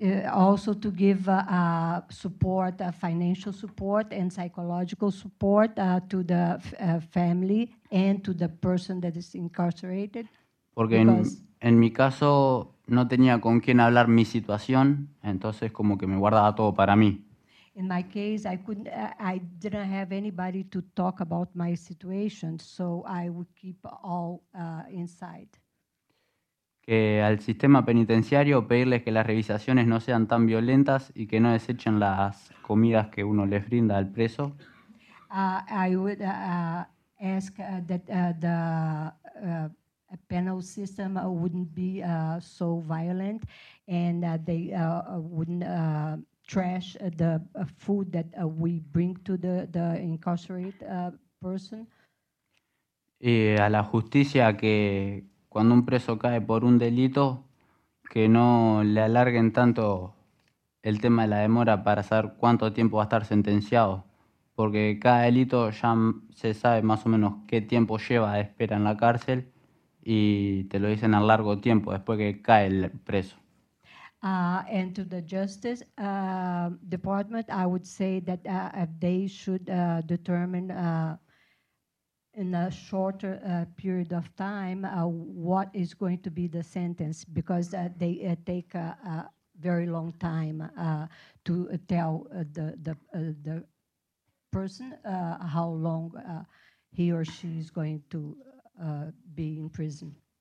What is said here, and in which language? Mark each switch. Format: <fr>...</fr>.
<en>also to give support, financial support and psychological support to the family and to the person that is incarcerated.</en> <es>Porque en mi caso no tenía con quién hablar mi situación, entonces como que me guardaba todo para mí.</es> <en>In my case, I didn't have anybody to talk about my situation, so I would keep all inside.</en> <es>que al sistema penitenciario pedirles que las revisaciones no sean tan violentas y que no desechen las comidas que uno les brinda al preso.</es> <en>I would ask that the penal system wouldn't be so violent and that they wouldn't trash the food that we bring to the incarcerated person.</en> <es>Y a la justicia que cuando un preso cae por un delito, que no le alarguen tanto el tema de la demora para saber cuánto tiempo va a estar sentenciado, porque cada delito ya se sabe más o menos qué tiempo lleva de espera en la cárcel y te lo dicen a largo tiempo después que cae el preso.</es> <en>And to the Justice Department, I would say that they should determine in a shorter period of time what is going to be the sentence, because they take a very long time to tell the person how long he or she is going to be in prison.</en>